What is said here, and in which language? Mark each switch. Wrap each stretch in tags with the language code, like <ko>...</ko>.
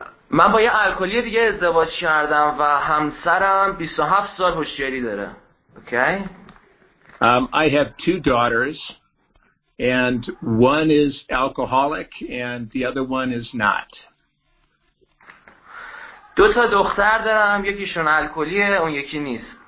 <fa>من با یه الکلی دیگه ازدواج کردم و همسرم 27 سال هوشیاری داره.</fa> <en>Okay. I have two daughters and one is alcoholic and the other one is not.</en> <fa>دو تا دختر دارم، یکیشون الکلیه، اون یکی نیست.</fa>